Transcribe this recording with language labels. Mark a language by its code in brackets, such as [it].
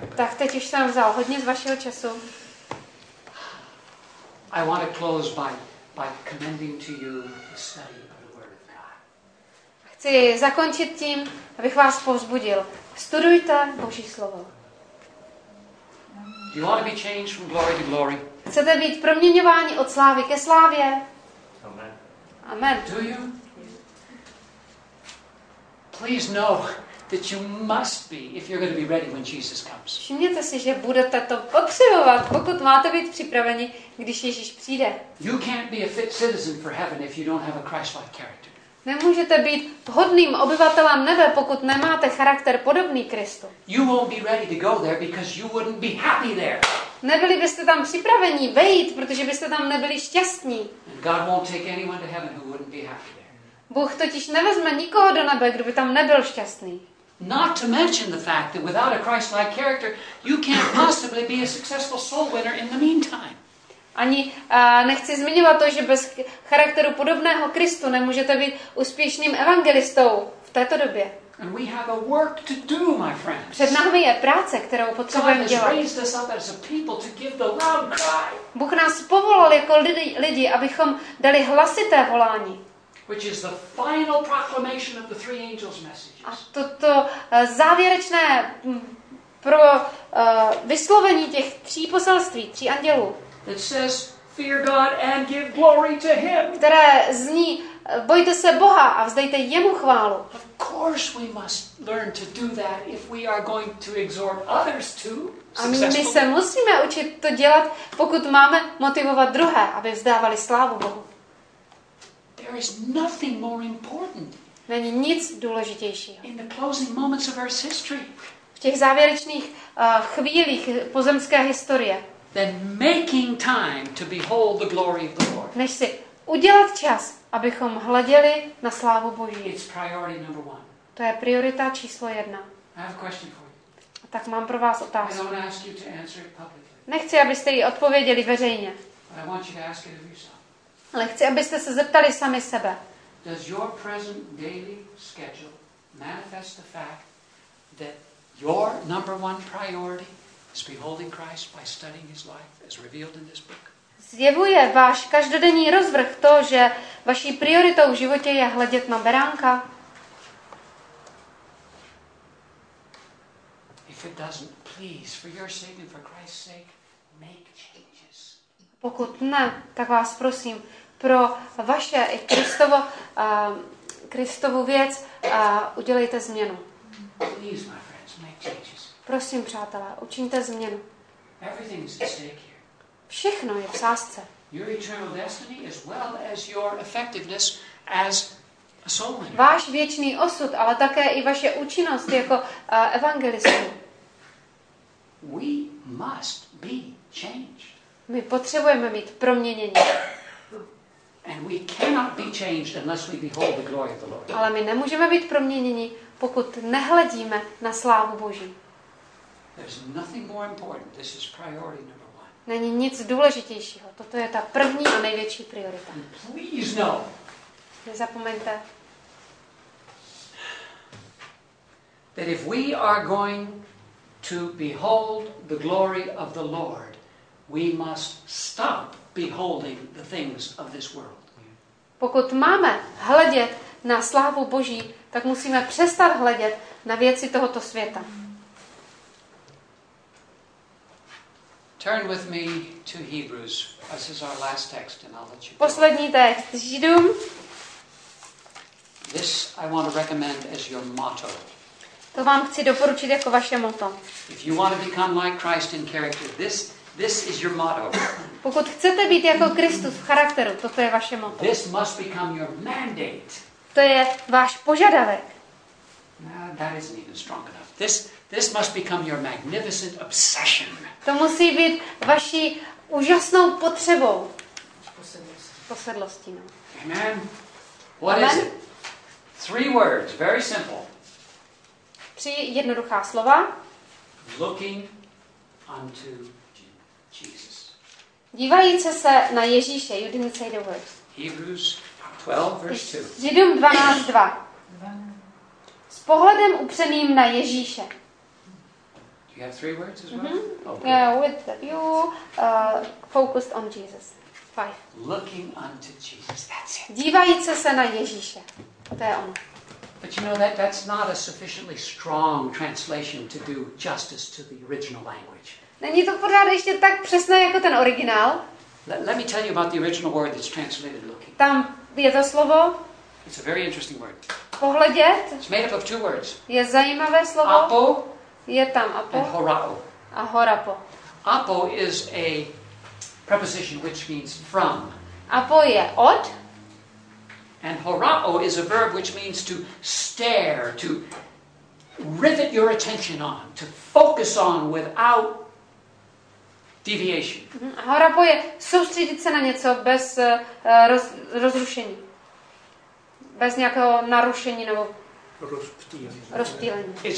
[en] But [cs] tak teď už jsem vzal hodně z vašeho času. [en] I want to close by commending to you the study of the word of God. [cs] Chci zakončit tím, abych vás povzbudil. Studujte Boží slovo. [en] You want to be changed from glory to glory? [cs] Chcete být proměňováni od slávy ke slávě? [en] Amen. Amen. Do you? Please know that you must be if you're going to be ready when Jesus comes. [cs] Všimněte si, že budete to potřebovat, pokud máte být připraveni, když Ježíš přijde. [en] You can't be a fit citizen for heaven if you don't have a Christ-like character. [cs] Nemůžete být hodným obyvatelem nebe, pokud nemáte charakter podobný Kristu. [en] You won't be ready to go there because you wouldn't be happy there. [cs] Nebyli byste tam připraveni vejít, protože byste tam nebyli šťastní. [en] God won't take anyone to heaven who wouldn't be happy there. [cs] Bůh totiž nevezme nikoho do nebe, kdo by tam nebyl šťastný. [en] Not to mention the fact that without a Christ-like character, you can't possibly be a successful soul winner in the meantime. [cs] Ani nechci zmiňovat to, že bez charakteru podobného Kristu nemůžete být úspěšným evangelistou v této době. [en] And we have a work to do, my friends. [cs] Před námi je práce, kterou potřebujeme dělat. [en] God has raised us up as a people to give the loud cry. [cs] Bůh nás povolal jako lidi, abychom dali hlasité volání. [en] Which is the final proclamation of the three angels' messages. [cs] A toto závěrečné pro vyslovení těch tří poselství, tří andělů. [en] It says, "Fear God and give glory to Him." [cs] Které zní, bojte se Boha a vzdejte jemu chválu. [en] Of course, we must learn to do that if we are going to exhort others to successfully. [cs] A my se musíme učit to dělat, pokud máme motivovat druhé, aby vzdávali slávu Bohu. [en] There is nothing more important. [cs] Není nic důležitějšího. [en] In the closing moments of Earth's history. [cs] V těch závěrečných chvílích pozemské historie. [en] Than making time to behold the glory of the Lord. [cs] Než si udělat čas, abychom hleděli na slávu Boží. [en] It's priority number one. [cs] To je priorita číslo jedna. [en] I have a question for you. [cs] A tak mám pro vás otázku. [en] I don't ask you to answer it publicly. [cs] Nechci, abyste ji odpověděli veřejně. [en] But I want you to ask it of yourself. [cs] Ale chci, abyste se zeptali sami sebe. [en] Does your present daily schedule manifest the fact that your number one priority is beholding Christ by studying his life as revealed in this book? [cs] Zjevuje váš každodenní rozvrh to, že vaší prioritou v životě je hledět na Beránka? [en] If it doesn't, please, for your sake and for Christ's sake, make changes. [cs] Pokud ne, tak vás prosím, pro vaše i Kristovo, Kristovu věc udělejte změnu. [en] Please, my friends, make changes. [cs] Prosím, přátelé, učiňte změnu. [en] Everything is at stake here. [cs] Všechno je v sázce. [en] Your eternal destiny as well as your effectiveness as a soul winner. [cs] Váš věčný osud, ale také i vaše účinnost jako evangelistů. [en] We must be changed. [cs] My potřebujeme mít proměnění. [en] And we cannot be changed unless we behold the glory of the Lord. [cs] Ale my nemůžeme být proměněni, pokud nehledíme na slávu Boží. [en] There's nothing more important. This is priority number one. [cs] Není nic důležitějšího. Toto je ta první a největší priorita. [en] Please know. [cs] Nezapomeňte. [en] That if we are going to behold the glory of the Lord, we must stop beholding the things of this world. [cs] Pokud máme hledět na slávu Boží, tak musíme přestat hledět na věci tohoto světa. [en] Turn with me to Hebrews. This is our last text and I'll let you go. [cs] Poslední text Židům. [en] This I want to recommend as your motto. [cs] To vám chci doporučit jako vaše motto. [en] If you want to become like Christ in character, this is your motto. [cs] Pokud chcete být jako Kristus v charakteru, toto je vaše motto. [en] This must become your mandate. [cs] To je váš požadavek. [en] That isn't even strong enough. This must become your magnificent obsession. [cs] To musí být vaší úžasnou potřebou. Posedlostí. [en] Amen. What is it? Three words, very simple. [cs] Tři jednoduchá slova. [en] Looking unto Jesus. [cs] Dívajíce se na Ježíše. [en] You didn't say the words. Hebrews 12, verse 2. [cs] Židům 12:2. S pohledem upřeným na Ježíše. [en] Do you have three words as well? Mm-hmm. Okay. Yeah, with you focused on Jesus. Five. Looking unto Jesus. That's it. [cs] Dívajíce se na Ježíše. To je ono. [en] But you know that's not a sufficiently strong translation to do justice to the original language. [cs] Není to pořád ještě tak přesné jako ten originál? [en] Let me tell you about the original word that's translated looking. [cs] Tam je to slovo. [en] It's a very interesting word. [cs] Pohledět. [en] It's made up of two words. [cs] Je zajímavé slovo. [en] Apo. [cs] Je tam apo. [en] And horapo. [cs] A horapo. [en] Apo is a preposition which means from. [cs] Apo je od. [en] And horao is a verb which means to stare, to rivet your attention on, to focus on without deviation. [cs] Horapo je soustředit se na něco bez rozrušení. Bez nějakého narušení nebo rozptýlení.